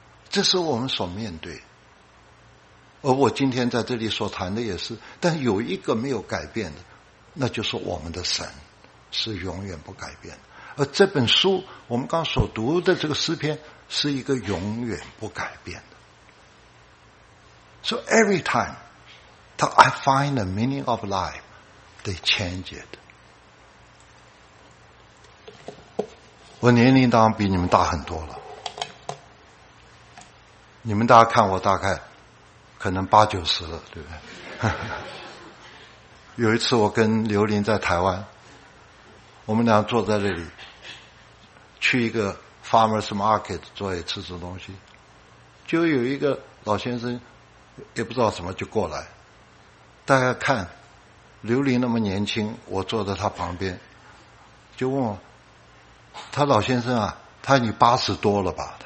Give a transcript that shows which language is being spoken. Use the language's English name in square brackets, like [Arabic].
[Chinese] 这是我们所面对，而我今天在这里所谈的也是，但有一个没有改变的，那就是我们的神是永远不改变的。而这本书我们刚所读的这个诗篇是一个永远不改变的。 [English] So every time that I find the meaning of life, they change it。 [Chinese] 我年龄当然比你们大很多了，你们大家看我大概可能八九十了，对不对？有一次我跟刘琳在台湾，我们俩坐在这里去一个 farmers market 坐一吃吃东西，就有一个老先生也不知道什么就过来，大家看刘琳那么年轻，我坐在他旁边，就问我，他老先生啊，他你80多了吧？